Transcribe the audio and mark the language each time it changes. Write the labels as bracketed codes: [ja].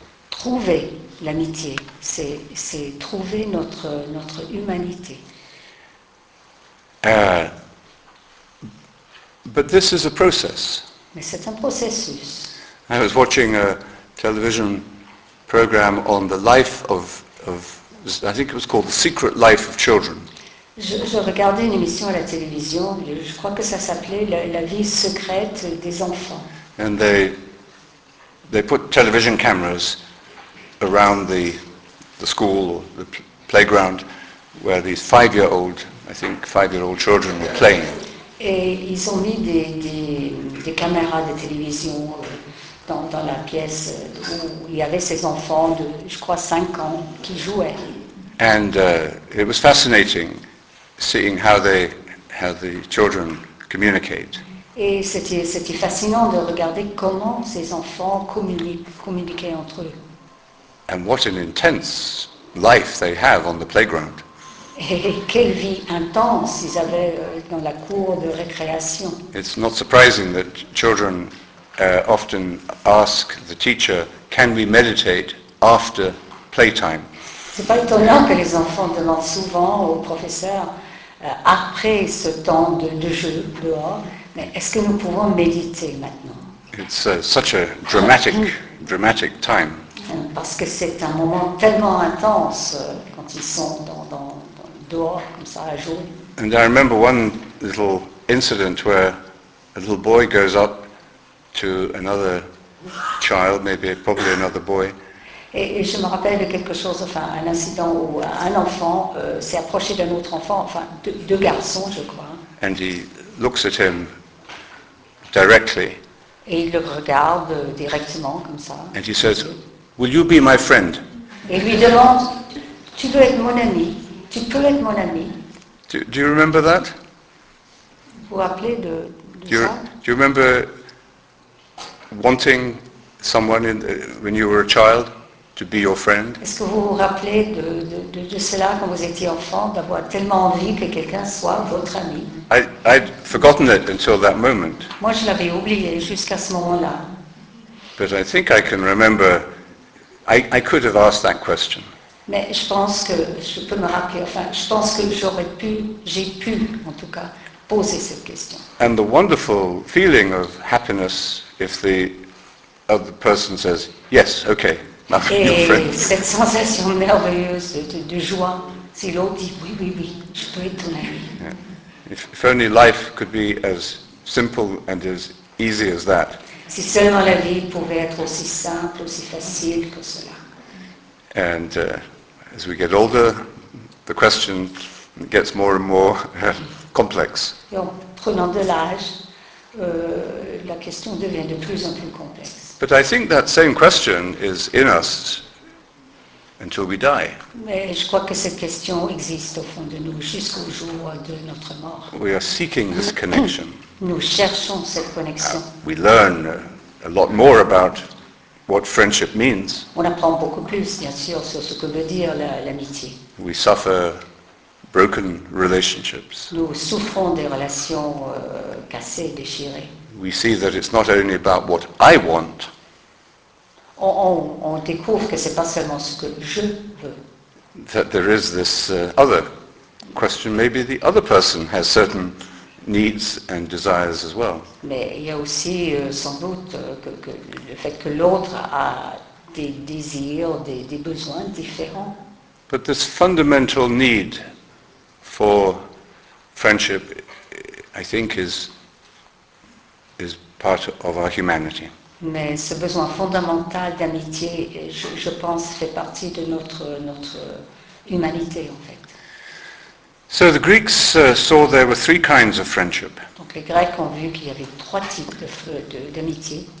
[fr] Trouver l'amitié, c'est trouver notre humanité. [en] But this is a process. [fr] Mais c'est un processus. [en] I was watching a television program on the life of I think it was called The Secret Life of Children. [fr] Je regardais une émission à la télévision, je crois que ça s'appelait la vie secrète des enfants. [en] And they put television cameras around the school or the playground where these five-year-old children were playing. [fr] Et ils ont mis des caméras de télévision dans la pièce où il y avait ces enfants de, je crois, 5 ans qui jouaient. [en] And it was fascinating. Seeing how the children communicate. [fr] Et c'était fascinant de regarder comment ces enfants communiquaient entre eux. [en] And what an intense life they have on the playground. [fr] Et quelle vie intense ils avaient dans la cour de récréation. [en] It's not surprising that children often ask the teacher, "Can we meditate after playtime?" [fr] C'est pas étonnant que les enfants demandent souvent au professeur. Après ce temps de jeu dehors, mais est-ce que nous pouvons méditer maintenant? [en] It's such a dramatic, dramatic time. [fr] Parce que c'est un moment tellement intense quand ils sont dans dehors comme ça à jouer. [en] And I remember one little incident where a little boy goes up to another child, maybe probably another boy. [fr] Et je me rappelle de quelque chose, enfin, un incident où un enfant s'est approché d'un autre enfant, enfin, deux garçons, je crois. [en] And he looks at him directly. [fr] Et il le regarde directement, comme ça. [en] And he says, "Will you be my friend?" [fr] Et lui demande, "Tu veux être mon ami? Tu peux être mon ami?" [en] Do you remember that? [fr] Vous vous rappelez de [en] you, [fr] ça? [en] Do you remember wanting someone when you were a child? to be your friend? [fr] Est-ce que vous vous rappelez de cela quand vous étiez enfant, d'avoir tellement envie que quelqu'un soit votre ami? [en] I'd forgotten it until that moment. [fr] Moi, je l'avais oublié jusqu'à ce moment-là. [en] But I think I can remember. I could have asked that question. [fr] Mais je pense que je peux me rappeler. Enfin, je pense que j'ai pu, en tout cas, poser cette question. [en] And the wonderful feeling of happiness if the other person says yes, okay. [fr] Et cette sensation merveilleuse de joie, si l'autre dit oui, je peux être ton ami. [en] If only life could be as simple and as easy as that. [fr] Si seulement la vie pouvait être aussi simple, aussi facile que cela. [en] And as we get older, the question gets more and more complex. [fr] Et en prenant de l'âge, la question devient de plus en plus complexe. [en] But I think that same question is in us until we die. [fr] Mais je crois que cette question existe au fond de nous jusqu'au jour de notre mort. [en] We are seeking this connection. [fr] Nous cherchons cette connexion. [en] We learn a lot more about what friendship means. [fr] On apprend beaucoup plus, bien sûr, sur ce que veut dire l'amitié. [en] We suffer broken relationships. [fr] Nous souffrons des relations cassées, déchirées. [en] We see that it's not only about what I want. [fr] On découvre que c'est pas seulement ce que je veux. [en] That there is this other question. Maybe the other person has certain needs and desires as well. [fr] Mais il y a aussi sans doute que le fait que l'autre a des désirs, des besoins différents. [en] But this fundamental need for friendship, I think, is part of our humanity. [fr] Mais ce besoin fondamental d'amitié, je pense, fait partie de notre humanité, en fait. [en] So the Greeks saw there were three kinds of friendship. [fr] Donc les Grecs ont vu qu'il y avait trois types d'amitié.